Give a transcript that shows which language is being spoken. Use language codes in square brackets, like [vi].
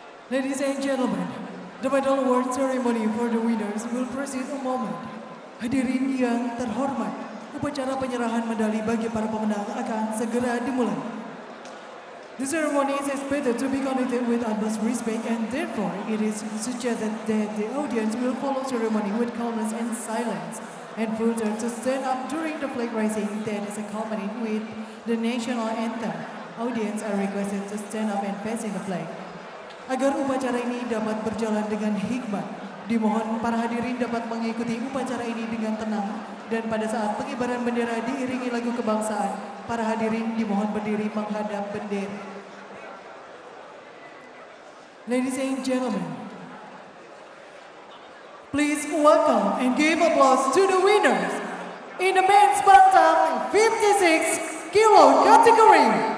[en] Ladies and gentlemen, the medal award ceremony for the winners will proceed in a moment. [id] Hadirin yang terhormat, upacara penyerahan medali bagi para pemenang akan segera dimulai. [en] The ceremony is expected to be conducted with utmost respect, and therefore it is suggested that the audience will follow ceremony with calmness and silence, and further to stand up during the flag raising that is accompanied with the national anthem. Audience are requested to stand up and facing the flag. [id] Agar upacara ini dapat berjalan dengan hikmat, dimohon para hadirin dapat mengikuti upacara ini dengan tenang, dan pada saat pengibaran bendera diiringi lagu kebangsaan, para hadirin dimohon berdiri menghadap bendera. [en] Ladies and gentlemen, please welcome and give applause to the winners in the men's bantam 56 kilo category.